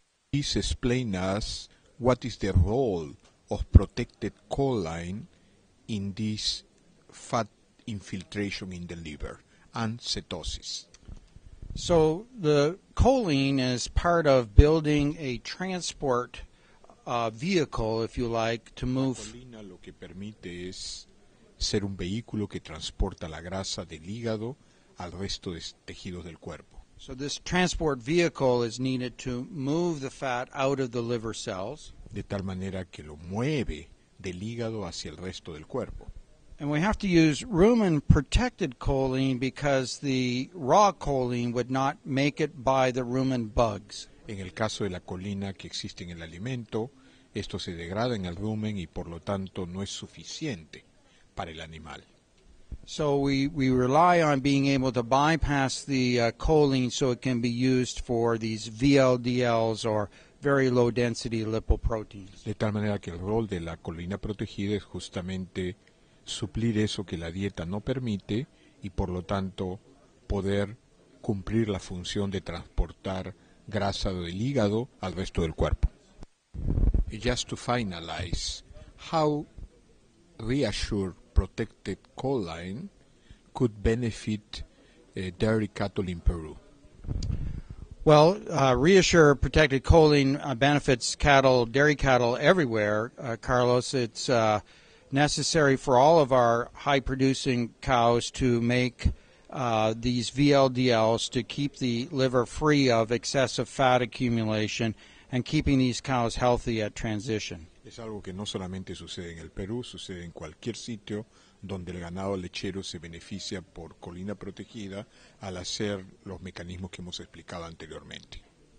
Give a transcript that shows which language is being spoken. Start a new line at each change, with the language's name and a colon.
English: Please explain us what is the role of protected choline in this fat infiltration in the liver and cetosis. So the choline is part of building a transport vehicle, if you like, to move.
Spanish: La colina lo que permite es ser un vehículo que transporta la grasa del hígado al resto de tejidos del cuerpo.
English: So this transport vehicle is needed to move the fat out of the liver cells.
Spanish: De tal manera que lo mueve del hígado hacia el resto del cuerpo.
English: And we have to use rumen-protected choline because the raw choline would not make it by the rumen bugs.
Spanish: En el caso de la colina que existe en el alimento, esto se degrada en el rumen y por lo tanto no es suficiente para el animal.
English: So we rely on being able to bypass the choline so it can be used for these VLDLs or very low density lipoproteins.
Spanish: De tal manera que el rol de la colina protegida es justamente suplir eso que la dieta no permite y por lo tanto poder cumplir la función de transportar grasa del hígado al resto del cuerpo.
English: And just to finalize, how reassure protected choline could benefit dairy cattle in Peru? Well, reassure protected choline benefits cattle, dairy cattle everywhere, Carlos. It's necessary for all of our high-producing cows to make these VLDLs to keep the liver free of excessive fat accumulation and keeping these cows healthy at transition.
Spanish: Es algo que no solamente sucede en el Perú, sucede en cualquier sitio donde el ganado lechero se beneficia por colina protegida al hacer los mecanismos que hemos explicado anteriormente.